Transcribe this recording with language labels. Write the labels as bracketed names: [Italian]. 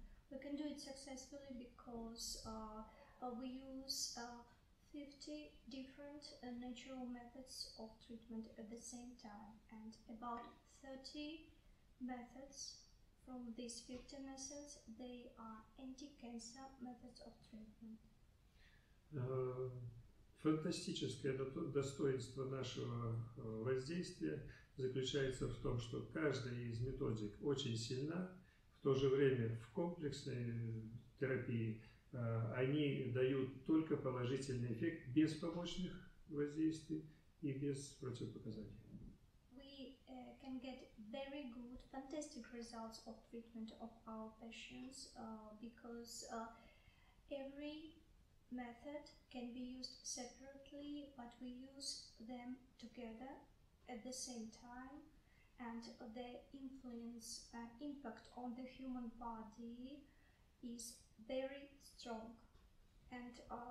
[English] We can do it successfully because we use 50 different natural methods of treatment at the same time, and about 30 methods from these 50 methods, they are anti-cancer methods of treatment. [Russian] Фантастическое достоинство нашего воздействия заключается в том, что каждая из методик очень сильна, в то же время в комплексной терапии они дают только положительный эффект без побочных воздействий и без противопоказаний. [English] We can get very good, fantastic results of treatment of our patients because every method can be used separately, but we use them together at the same time, and the influence, impact on the human body is very strong, and